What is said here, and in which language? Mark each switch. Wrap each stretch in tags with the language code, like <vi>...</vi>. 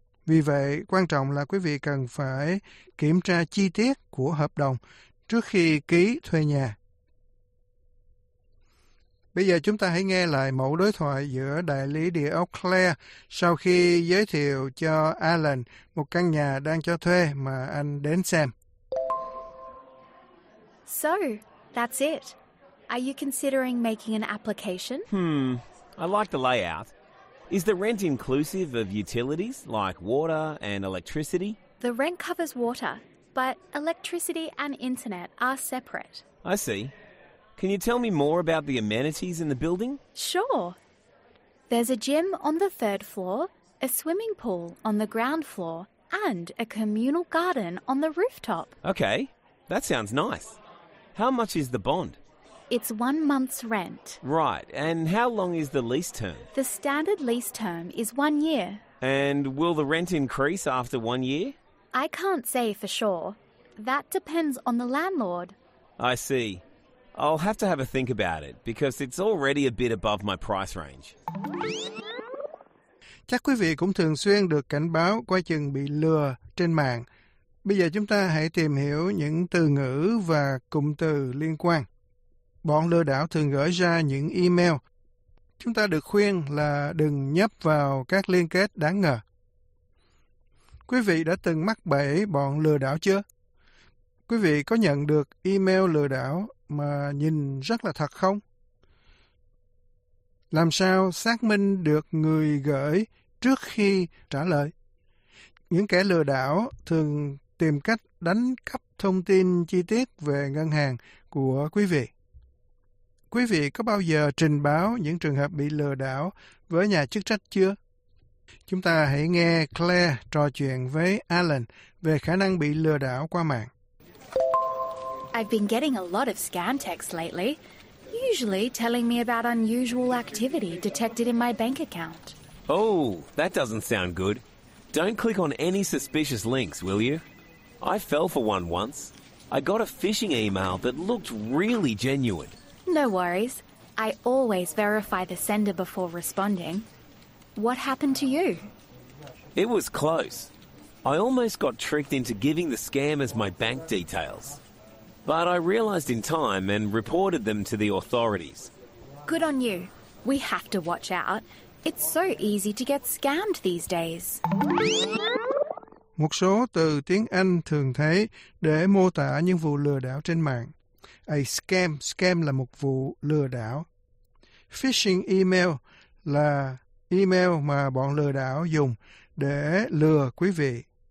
<vi>Vì vậy, quan trọng là quý vị cần phải kiểm tra chi tiết của hợp đồng trước khi ký thuê nhà. Bây giờ chúng ta hãy nghe lại mẫu đối thoại giữa đại lý địa ốc Claire sau khi giới thiệu cho Alan một căn nhà đang cho thuê mà anh đến xem.</vi> <en>So, that's it. Are you considering making an application? I like the layout. Is the rent inclusive of utilities like water and electricity? The rent covers water, but electricity and internet are separate. I see. Can you tell me more about the amenities in the building? Sure. There's a gym on the third floor, a swimming pool on the ground floor, and a communal garden on the rooftop. Okay, that sounds nice. How much is the bond? It's 1 month's rent. Right, and how long is the lease term? The standard lease term is 1 year. And will the rent increase after 1 year? I can't say for sure. That depends on the landlord. I see. I'll have to have a think about it, because it's already a bit above my price range.</en> <vi>Chắc quý vị cũng thường xuyên được cảnh báo coi chừng bị lừa trên mạng. Bây giờ chúng ta hãy tìm hiểu những từ ngữ và cụm từ liên quan. Bọn lừa đảo thường gửi ra những email. Chúng ta được khuyên là đừng nhấp vào các liên kết đáng ngờ. Quý vị đã từng mắc bẫy bọn lừa đảo chưa? Quý vị có nhận được email lừa đảo mà nhìn rất là thật không? Làm sao xác minh được người gửi trước khi trả lời? Những kẻ lừa đảo thường tìm cách đánh cắp thông tin chi tiết về ngân hàng của quý vị. Quý vị có bao giờ trình báo những trường hợp bị lừa đảo với nhà chức trách chưa? Chúng ta hãy nghe Claire trò chuyện với Alan về khả năng bị lừa đảo qua mạng.</vi> <en>I've been getting a lot of scam texts lately, usually telling me about unusual activity detected in my bank account. Oh, that doesn't sound good. Don't click on any suspicious links, will you? I fell for one once. I got a phishing email that looked really genuine. No worries. I always verify the sender before responding. What happened to you? It was close. I almost got tricked into giving the scammers my bank details. But I realized in time and reported them to the authorities. Good on you. We have to watch out. It's so easy to get scammed these days.</en> <vi>Một số từ tiếng Anh thường thấy để mô tả những vụ lừa đảo trên mạng. A scam. Scam là một vụ lừa đảo. Phishing email là email mà bọn lừa đảo dùng để lừa quý vị.</vi>